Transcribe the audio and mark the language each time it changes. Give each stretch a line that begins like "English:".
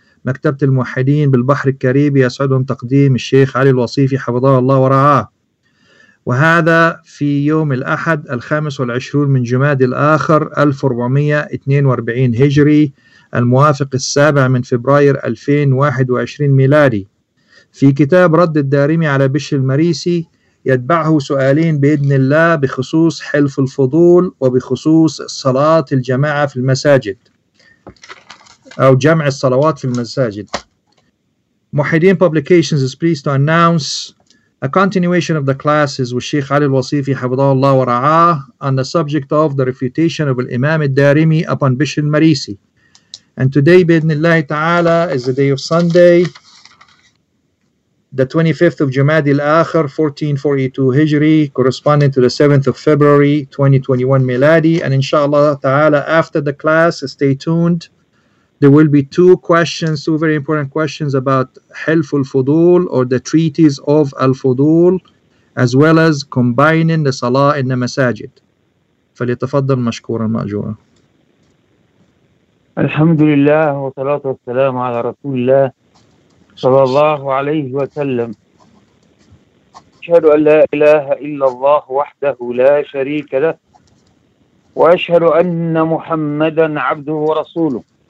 Arabic: مكتبة الموحدين بالبحر الكاريبي يسعدهم تقديم الشيخ علي الوصيفي حفظه الله ورعاه، وهذا في يوم الأحد 25 من جماد الآخر 1442 هجري، الموافق 7 من فبراير 2021 ميلادي. في كتاب رد الدارمي على بشر المريسي يتبعه سؤالين بإذن الله بخصوص حلف الفضول وبخصوص صلاة الجماعة في المساجد أو جمع الصلوات في المساجد.
English: موحدين Publications is pleased to announce a continuation of the classes with Sheikh Ali Al-Wasifi
Arabic: حفظه الله ورعاه
English: on the subject of the refutation of
Arabic: الإمام الدارمي
English: upon بشر المريسي. And today
Arabic: بإذن الله تعالى
English: is the day of Sunday, the 25th of Jumad al-Akhir, 1442 Hijri, corresponding to the 7th of February, 2021 Miladi. And inshallah ta'ala, after the class, stay tuned. There will be two questions, two very important questions about Hilf al-Fudul, or the treaties of al-Fudul, as well as combining the Salah in the Masajid.
Arabic: فليتفضل مشكورا مأجورا. الحمد لله والصلاة والسلام على رسول الله صلى الله عليه وسلم. أشهد أن لا إله إلا الله وحده لا شريك له، وأشهد أن محمدا عبده ورسوله.